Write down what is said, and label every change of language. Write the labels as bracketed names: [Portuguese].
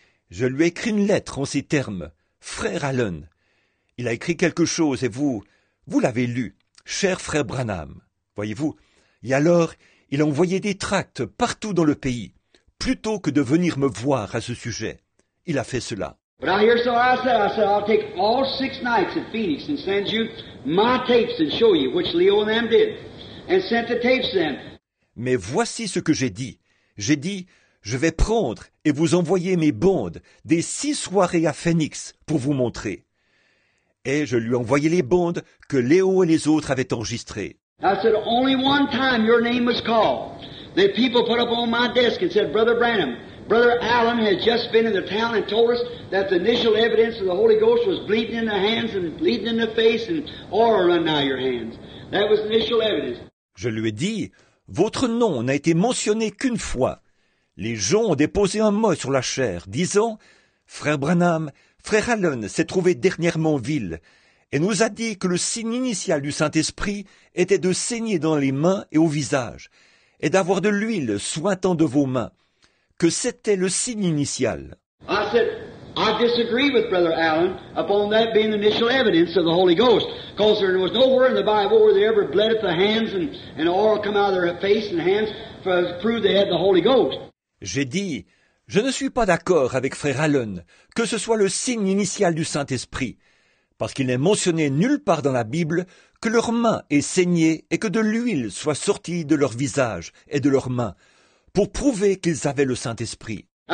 [French] Je lui ai écrit une lettre en ces termes, Frère Allen, il a écrit quelque chose et vous l'avez lu, cher frère Branham, voyez-vous. Et alors, il a envoyé des tracts partout dans le pays, plutôt que de venir me voir à ce sujet. Il a fait cela. [English] But I hear so I said, I'll take all six nights at Phoenix and send you my tapes and show you, which Leo and them did, and sent the tapes then. [French] Mais voici ce que j'ai dit. J'ai dit, je vais prendre et vous envoyer mes bandes des six soirées à Phoenix pour vous montrer. Et je lui envoyais les bandes que Léo et les autres avaient enregistrées. [English] I said, only one time your name was called. The people put up on my desk and said, Brother Branham, Brother Allen had just been in the town and told us that the initial evidence of the Holy Ghost was bleeding in the hands and bleeding in the face and aura running out of your hands. That was initial evidence. [French] Je lui ai dit, votre nom n'a été mentionné qu'une fois. Les gens ont déposé un mot sur la chair, disant, Frère Branham, Frère Allen s'est trouvé dernièrement en ville et nous a dit que le signe initial du Saint-Esprit était de saigner dans les mains et au visage et d'avoir de l'huile suintant de vos mains, que c'était le signe initial. [English] I said, I disagree with Brother Allen upon that being the initial evidence of the Holy Ghost, because there was nowhere in the Bible where they ever bled at the hands and oil come out of their face and hands to prove they had the Holy Ghost. [French] J'ai dit, je ne suis pas d'accord avec frère Allen que ce soit le signe initial du Saint-Esprit, parce qu'il n'est mentionné nulle part dans la Bible que leurs mains aient saigné et que de l'huile soit sortie de leur visage et de leurs mains, pour prouver qu'ils avaient le Saint-Esprit.